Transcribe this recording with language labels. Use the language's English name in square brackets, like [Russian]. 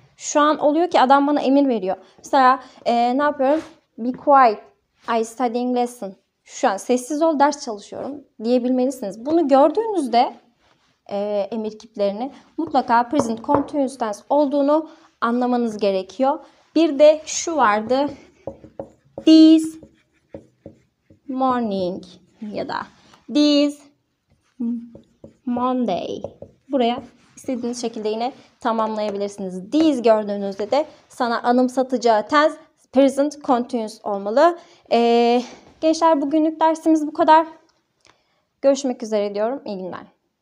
[Turkish] Şu an oluyor ki adam bana emir veriyor. Mesela ne yapıyorum? [English] Be quiet. I studying lesson. [Turkish] Şu an sessiz ol, ders çalışıyorum diyebilmelisiniz. Bunu gördüğünüzde emir kiplerini mutlaka present continuous tense olduğunu anlamanız gerekiyor. Bir de şu vardı. [English] This morning [Turkish] ya da [English] this Monday. [Turkish] Buraya istediğiniz şekilde yine tamamlayabilirsiniz. These gördüğünüzde de sana anımsatacağı tense present continuous olmalı. Gençler, bugünlük dersimiz bu kadar. Görüşmek üzere diyorum. İyi günler.